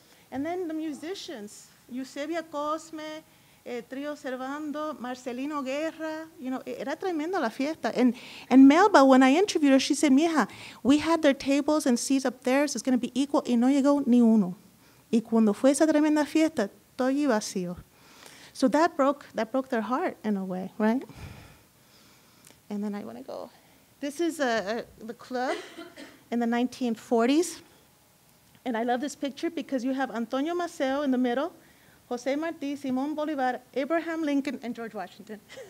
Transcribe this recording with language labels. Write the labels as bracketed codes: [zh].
[en] And then the musicians, Eusebia Cosme, Trio Servando, Marcelino Guerra, you know, [es] era tremendo la fiesta. [en] And Melba, when I interviewed her, she said, mija, we had their tables and seats up there, so it's going to be equal, [es] y no llegó ni uno. Y cuando fue esa tremenda fiesta, todo allí vacío. [en] So that broke their heart in a way, right? And then I want to go. This is the club in the 1940s. And I love this picture because you have Antonio Maceo in the middle, Jose Marti, Simon Bolivar, Abraham Lincoln, and George Washington.